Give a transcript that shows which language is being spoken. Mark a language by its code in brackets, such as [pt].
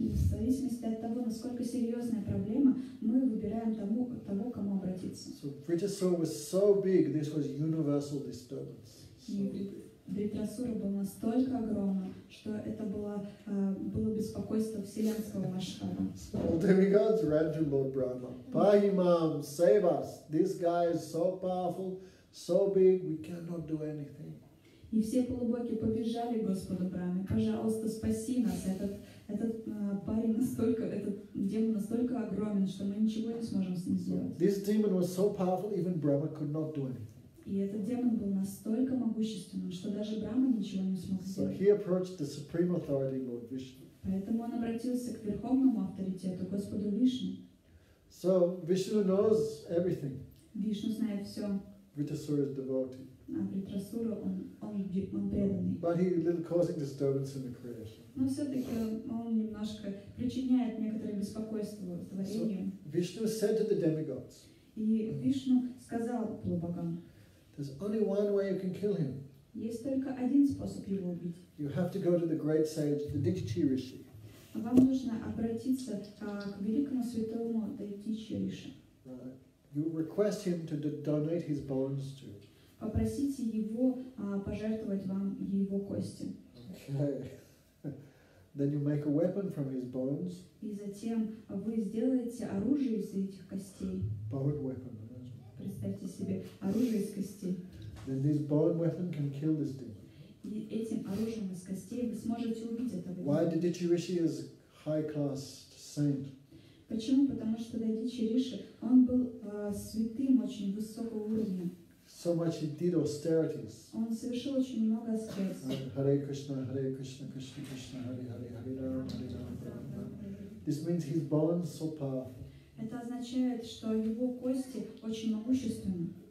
[ru] Зависимости от того, насколько серьезная проблема, мы выбираем того, к кому обратиться. [en] So Vritrasura was so big, this was universal disturbance. [ru] Vritrasura была настолько огромна, что это было беспокойство вселенского масштаба. [en] All demigods ran to Lord Brahma. Bahimam, save us! This guy is so powerful. So big, we cannot do anything. [ru] И все полубоги побежали к Господу Браме. Пожалуйста, спаси нас. Этот демон настолько огромен, что мы ничего не сможем с ним сделать. [en] This demon was so powerful, even Brahma could not do anything. [ru] И этот демон был настолько могущественным, что даже Брама ничего не смог сделать. [en] So he approached the supreme authority, Lord Vishnu. [ru] Поэтому он обратился к верховному авторитету, Господу Вишну. [en] So Vishnu knows everything. [ru] Вишну знает все. [en] Vritrasura is devotee. [ru] Vritrasura, он преданный. [en] But he is a little causing disturbance in the creation. [ru] Но все-таки он немножко причиняет некоторое беспокойство творению. [en] So, Vishnu said to the demigods. [ru] И Вишну сказал полубогам. [en] There's only one way you can kill him. [ru] Есть только один способ его убить. [en] You have to go to the great sage, the Дикчи Риши. [ru] Вам нужно обратиться к великому святому Дикчи Риши. [en] You request him to donate his bones to. [ru] Попросите его пожертвовать вам его кости. [en] Okay. Then you make a weapon from his bones. [ru] И затем вы сделаете оружие из этих костей. [en] Bone weapon. [ru] Представьте себе оружие из костей. [en] Then this bone weapon can kill this demon. [ru] И этим оружием из костей вы сможете убить этого демона. [en] Why did Dichi Rishi is high class saint? [ru] Почему? Потому что Дадичи Риши, он был святым очень высокого уровня. [en] So much he did austerities. [ru] Он совершил очень много аскез. [sa] Hare Krishna, Krishna Krishna, Hare Hare, Hare Rama, Hare Rama, Hare Rama. [en] This means his bones so powerful. [ru] Это означает, что его кости очень могущественны.